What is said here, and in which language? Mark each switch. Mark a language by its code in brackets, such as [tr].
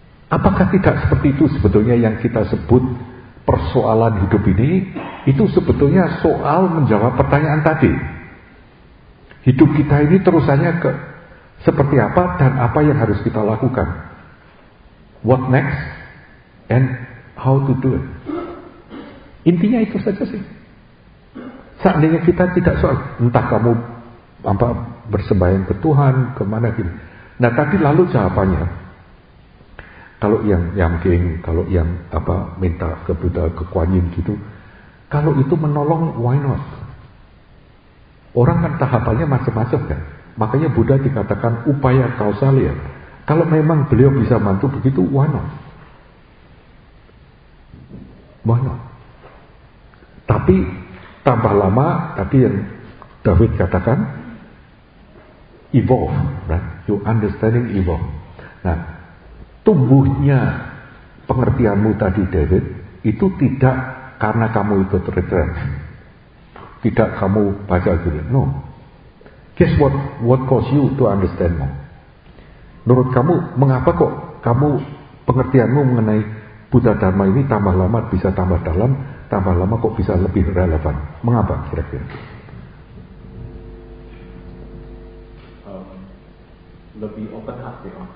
[id] Apakah tidak seperti itu sebetulnya yang kita sebut persoalan hidup ini? Itu sebetulnya soal menjawab pertanyaan tadi. Hidup kita ini terusannya ke seperti apa dan apa yang harus kita lakukan? [en] What next and how to do it? [id] Intinya itu saja sih. Seandainya kita tidak soal entah kamu apa bersembahyang ke Tuhan kemana gitu. Nah tadi lalu jawabannya. Kalau yang yamking, kalau yang apa minta ke Buddha, ke Kuan Yin gitu, kalau itu menolong, [en] why not? [id] Orang kan tahapannya macam-macam kan. Makanya Buddha dikatakan upaya kausalya. Kalau memang beliau bisa bantu begitu, [en] why not? Why not? [id] Tapi tambah lama, tadi yang David katakan, [en] evolve, right? You understanding evolve. [id] Nah, tumbuhnya pengertianmu tadi David, itu tidak karena kamu ikut retreat. Tidak kamu baca gini, no. [en] Guess what caused you to understand more? [id] Menurut kamu, mengapa kok kamu pengertianmu mengenai Buddha Dharma ini tambah lama bisa tambah dalam, tambah lama kok bisa lebih relevan? Mengapa kira-kira? Lebih open heart ya.